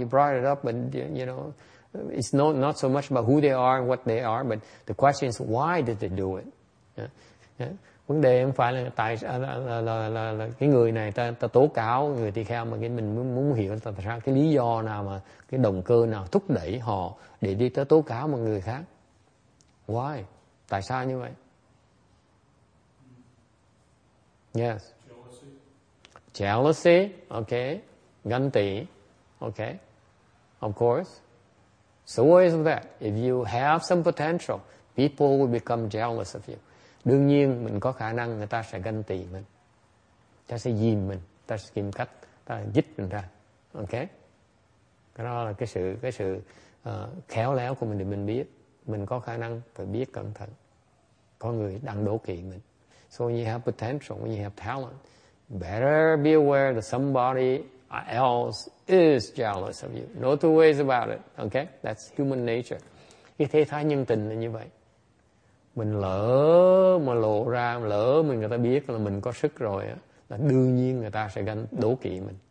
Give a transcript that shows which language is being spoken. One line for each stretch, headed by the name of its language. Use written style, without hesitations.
English: You brought it up, but you know, it's not so much about who they are and what they are, but the question is why did they do it?
Vietnamese: Vấn đề không phải là tại là cái người này ta tố cáo người tỳ kheo, mà cái mình muốn hiểu là tại sao, cái lý do nào, mà cái động cơ nào thúc đẩy họ để đi tới tố cáo một người khác. Why? Tại sao như vậy?
English: Yes. Jealousy. Okay.
Vietnamese: Gan tị,
English: okay, of course. So what is that? If you have some potential, people will become jealous of you.
Vietnamese: Đương nhiên mình có khả năng, người ta sẽ gan tị mình, ta sẽ dìm mình, ta sẽ tìm cách ta dít mình ra, okay? Cái đó là cái sự khéo léo của mình, để mình biết mình có khả năng, phải biết cẩn thận. Có người đang đố kỵ mình.
English: So when you have potential, when you have talent, better be aware that somebody else is jealous of you. No two ways about it. Okay? That's human nature.
Vietnamese: Cái thế thái nhân tình là như vậy. Mình lỡ mà lộ ra, lỡ mình người ta biết là mình có sức rồi á, là đương nhiên người ta sẽ ganh đố kỵ mình.